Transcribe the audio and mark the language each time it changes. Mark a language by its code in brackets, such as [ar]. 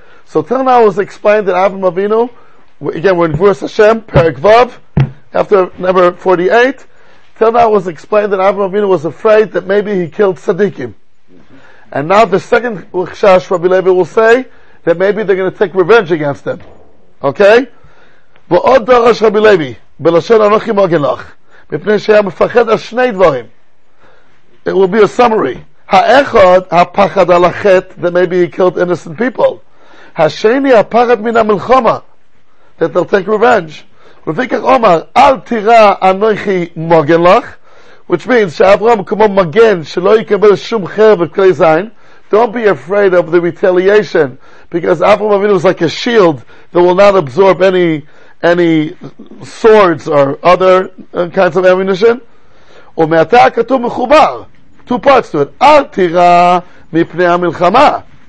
[en] So till now it was explained that Avraham Avinu, again, we're in Gevuros Hashem, Perek Vav, after number 48. Till now it was explained that Avraham Avinu was afraid that maybe he killed Tzaddikim. And now the second Chashash Rabbi Levi will say that maybe they're going to take revenge against him. Okay? [he] ועוד דרש רבי לוי בלשון אנוכי מוגן לך מפני שהיה מפחד על שני דברים. [en] It will be a summary. [he] האחד הפחד על החטא, [en] that maybe he killed innocent people. [he] השני הפחד מן המלחמה, [en] that they'll take revenge. [he] ופיכך אומר אל תירא אנוכי מוגן לך, [en] which means [he] שאברהם כמו מגן שלא יקבל שום חרב וכלי זין. [en] Don't be afraid of the retaliation, because Avraham Avinu is like a shield that will not absorb any swords or other kinds of ammunition. [he] ומעתה כתוב מחובר. [en] Two parts to it. [he] אל תירא מפני המלחמה.